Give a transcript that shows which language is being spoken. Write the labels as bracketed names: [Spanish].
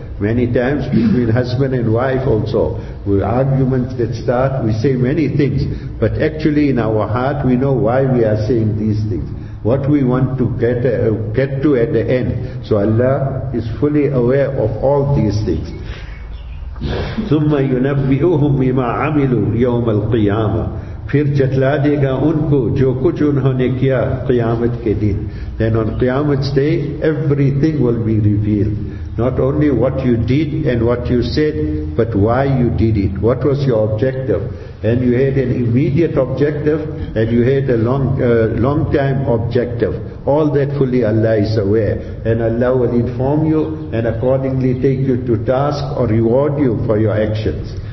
[English] Many times between husband and wife also, with arguments that start, we say many things, but actually in our heart we know why we are saying these things, what we want to get to at the end. So Allah is fully aware of all these things. [Arabic] ثُمَّ يُنَبِّئُهُمْ بِمَا عَمِلُوا يَوْمَ الْقِيَامَةِ [Urdu] پھر جتلا دے گا ان کو جو کچھ انہوں نے کیا قیامت کے دن. [English] Then on qiyamat day, everything will be revealed. Not only what you did and what you said, but why you did it. What was your objective? And you had an immediate objective, and you had a long time objective. All that fully Allah is aware. And Allah will inform you, and accordingly take you to task or reward you for your actions.